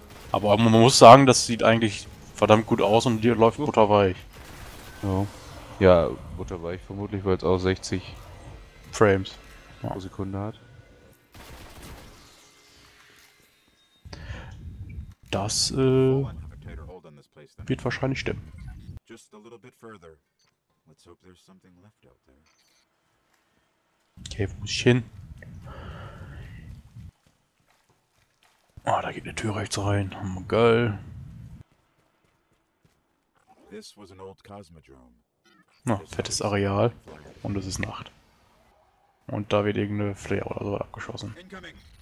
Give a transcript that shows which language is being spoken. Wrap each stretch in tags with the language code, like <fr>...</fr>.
<de>Aber man muss sagen, das sieht eigentlich verdammt gut aus und dir läuft butterweich. Ja. Ja, butterweich vermutlich, weil es auch 60 Frames pro Sekunde hat. Das wird wahrscheinlich stimmen.</de> <en>Just a little bit further. Let's hope there's something left out there.</en> <de>Okay, wo muss ich hin? Ah, da geht eine Tür rechts rein. Oh, geil.</de> <en>This was an old Cosmodrome.</en> <de>Na, fettes Areal. Und es ist Nacht. Und da wird irgendeine Flare oder so abgeschossen. Incoming.</de>